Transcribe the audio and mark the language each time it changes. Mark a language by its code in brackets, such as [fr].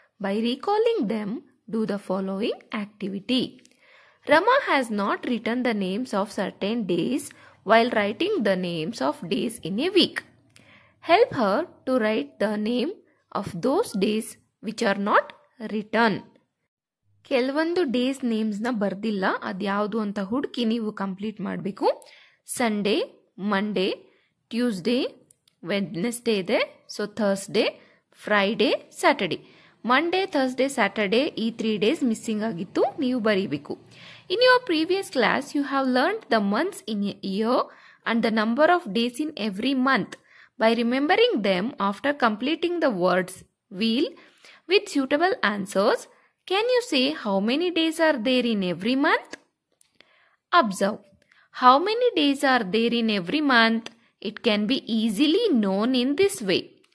[en] By recalling them, do the following activity. Rama has not written the names of certain days while writing the names of days in a week. Help her to write the name of those days which are not written. [kn] ಕೆಲವೊಂದು days names ನ ಬರ್ದಿಲ್ಲ ಅದ್ಯಾವುದು ಅಂತ ಹುಡುಕಿ ನೀವು complete ಮಾಡಬೇಕು. Sunday, Monday, Tuesday, Wednesday ಇದೆ, so Thursday, Friday, Saturday. Monday, Thursday, Saturday ಈ 3 days missing ಆಗಿತ್ತು, ನೀವು ಬರೀಬೇಕು. [en] In your previous class you have learned the months in year and the number of days in every month. By remembering them after completing the words wheel with suitable answers, can you say how many days are there in every month? Observe. How many days are there in every month? It can be easily known in this way.